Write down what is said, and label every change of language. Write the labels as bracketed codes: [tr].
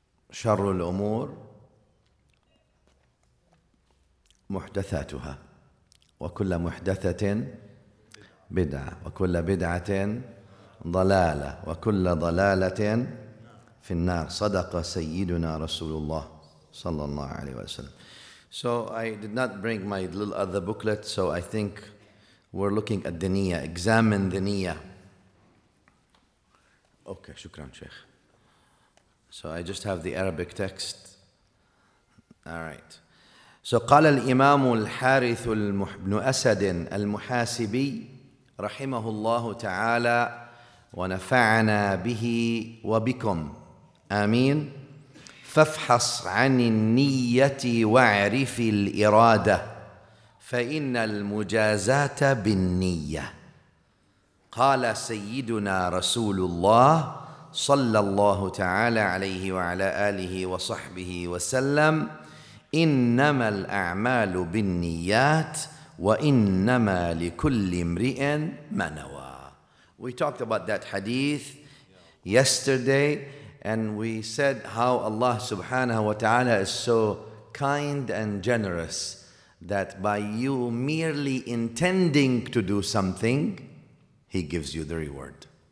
[ar] وشر الأمور محدثاتها، وكل محدثة بدعة، وكل بدعة ضلالة، وكل ضلالة في النار. صدق سيدنا رسول الله صلى الله عليه وسلم. [en] So I did not bring my little other booklet, so I think we're looking at the niyya. Examine the niyya. Okay, shukran, Sheikh. So I just have the Arabic text. All right. [ar] So قال الإمام الحارث بن أسد المحاسبي رحمه الله تعالى ونفعنا به وبكم آمين. فافحص عن النية واعرف الإرادة، فإن المجازاة بالنية. قال سيدنا رسول الله صلى الله تعالى عليه وعلى آله وصحبه وسلم: إنما الأعمال بالنيات، وإنما لكل امرئ ما نوى. [en] We talked about that hadith yesterday, and we said how Allah subhanahu wa ta'ala is so kind and generous that by you merely intending to do something, He gives you the reward.